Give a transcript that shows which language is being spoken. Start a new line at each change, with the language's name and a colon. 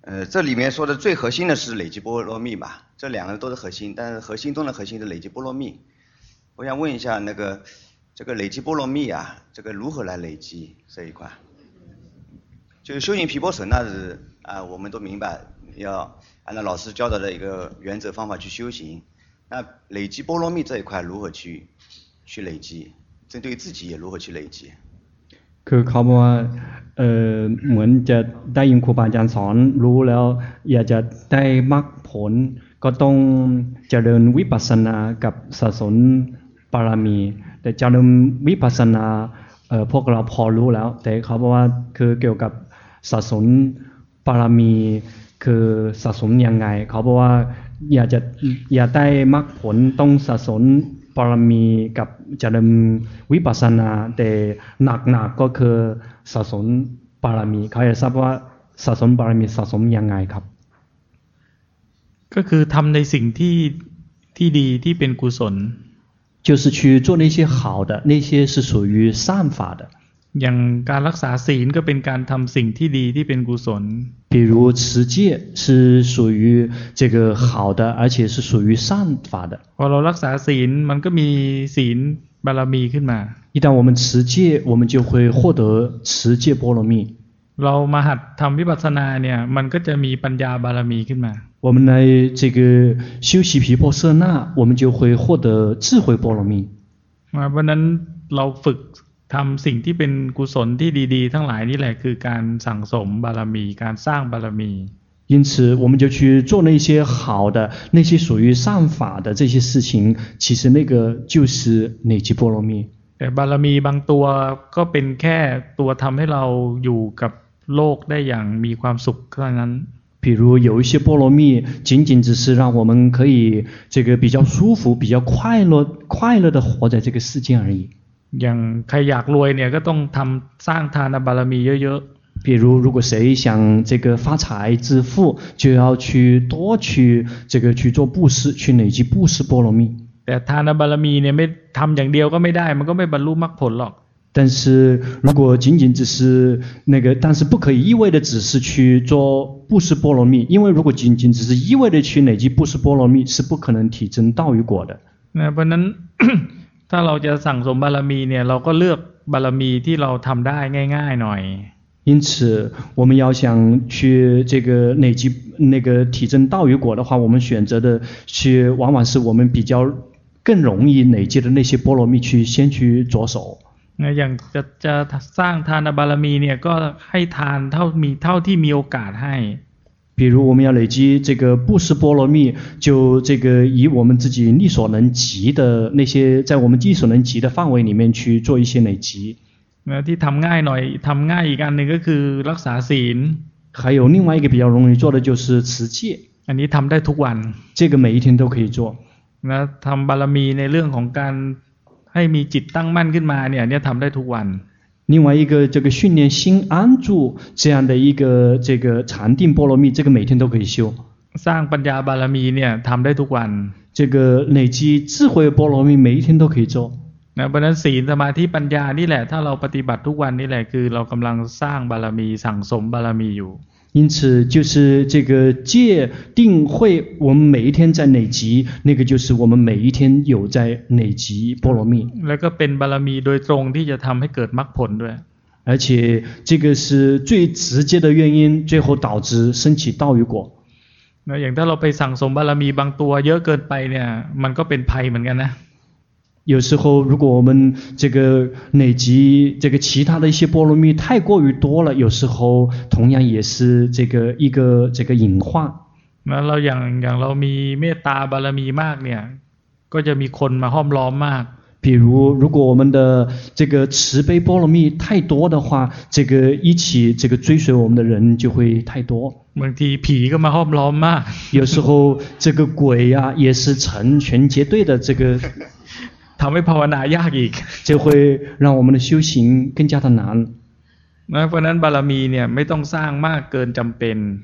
Chinese: 这里面说的最核心的是累积波罗蜜吧这两个都是核心但是核心中的核心是累积波罗蜜我想问一下那个这个累积波罗蜜啊这个如何来累积这一块就是修行毗婆舍那是啊我们都明白要按照老师教导的一个原则方法去修行那累积波罗蜜这一块如何去累积针对自己也如何去累积
Thai: คือเขาบอกว่าเหมือนจะได้ยินครูบาอาจารย์สอนรู้แล้วอยากจะได้มรรคผลก็ต้องเจริญวิปัสสนากับสะสมบารมีแต่จารย์วิปัสสนา พวกเราพอรู้แล้วแต่เขาบอกว่าคือเกี่ยวกับสะสมบารมีคือสะสมยังไงเขาบอกว่าอยากได้มรรคผลต้องสะสมบารมีกับจารย์วิปัสสนาแต่หนักๆก็คือสะสมบ
Chinese: 巴拉米，他也知道萨松巴拉米萨松样
Thai: ไง ครับ ก็คือทำในสิ่งที่ที่ดีที่เป็นกุศล
Chinese: 就是去做那些好的，那些是属于善法的。
Thai: อย่างการรักษาศีลก็เป็นการทำสิ่งที่ดีที่เป็นกุศล
Chinese: 比如持戒是属于这个好的，而且是属于善法的。
Thai: พอเรารักษาศีลมันก็มีศีลบารมีขึ้นมา
Chinese: 一旦我们持戒，我们就会获得持戒波罗蜜。
Thai: เรามาหัดทำวิปัสสนาเนี่ยมันก็จะมีปัญญาบารมีขึ้นมา
Chinese: 我们来这个修习毗婆舍那，我们就会获得智慧波罗蜜。
Thai: เพราะนั้นเราฝึกทำสิ่งที่เป็นกุศลที่ดีๆทั้งหลายนี่แหละคือการสั่งสมบารมีการสร้างบารมี
Chinese: 因此我们就去做那些好的那些属于善法的这些事情其实那个就是累积波罗蜜
Thai: แต่บารมีบางตัวก็เป็นแค่ตัวทำให้เราอยู่กับโลกได้อย่างมีความสุขเท่านั้น
Chinese: 比如有一些波罗蜜仅仅只是让我们可以这个比较舒服比较快乐的活在这个世界而已
Thai: อย่างใครอยากรวยเนี่ยก็ต้องทำสร้างทานบารมีเยอะ
Chinese: ๆ比如如果谁想这个发财致富就要去多去这个去做布施去累积布施波罗蜜
Thai: แต่ทานบารมีเนี่ยไม่ทำอย่างเดียวก็ไม่ได้มันก็ไม่บรรลุมรรคผลหรอก
Chinese: 但是如果仅仅只是那个但是不可以一味的只是去做布施波罗蜜因为如果仅仅只是一味的去累积布施波罗蜜是不可能提升道与果的那不能
Thai: ถ้าเราจะสั่งสมบารมีเนี่ยเราก็เลือกบารมีที่เราทำได้ง่ายๆหน่อย
Chinese: 因此我们要想去这个累积那个提升道与果的话我们选择的去往往是我们比较更容易累积的那些波罗蜜去先去着手
Thai: อย่างจะสร้างทานบารมีเนี่ยก็ให้ทานเท่าที่มีโอกาสให้
Chinese: 比如我们要累积这个布施波罗蜜就这个以我们自己力所能及的那些在我们力所能及的范围里面去做一些累积
Thai: ที่ทำง่ายหน่อยทำง่ายอีกอันหนึ่งก็คือรักษาศีล
Chinese: 还有另外一个比较容易做的就是持戒
Thai: อันนี้ทำได้ทุกวัน
Chinese: 这个每一天都可以做
Thai: แล้วทำบารมีในเรื่องของการให้มีจิตตั้งมั่นขึ้นมาเนี่ยทำได้ทุกวัน
Chinese: 另外一个这个训练心安住这样的一个这个禅定波罗蜜这个每天都可以修
Thai: สร้างปัญญาบารมีเนี่ยทำได้ทุกวัน
Chinese: 这个累积智慧波罗蜜每一天都可以做
Thai: นะเพราะนั้นศีลสมาธิปัญญานี่แหละถ้าเราปฏิบัติทุกวันนี่แหละคือเรากำลังสร้างบารมีสั่งสมบารมีอยู่
Chinese: 因此就是这个戒定慧我们每一天在累积那个就是我们每一天有在累积波罗蜜
Thai: แล้วก็เป็นบารมีโดยตรงที่จะทำให้เกิดมรรคผลด้วย
Chinese: 而且这个是最直接的原因最后导致升起道与果
Thai: 那อย่างถ้าเราไปสั่งสมบารมีบางตัวเยอะเกินไปเนี่ยมันก็เป็นภัยเหมือนกันนะ
Chinese: 有时候如果我们这个累积这个其他的一些波罗蜜太过于多了有时候同样也是这个一个这个隐患
Thai: 那เราอย่างเรามีเมตตาบารมีมากเนี่ยก็จะมีคนมาห้อมล้อมมาก
Chinese: 比如如果我们的这个慈悲波罗蜜太多的话这个一起这个追随我们的人就会太多
Thai: บางทีผีก็มาห้อมล้อมมาก
Chinese: 有时候这个鬼啊也是成群结队的这个
Thai: ทำให้ภาวนายากอีก
Chinese: 就会让我们的修行更加的难
Thai: เพราะนั้นบารมีเนี่ยไม่ต้องสร้างมากเกินจำเป็น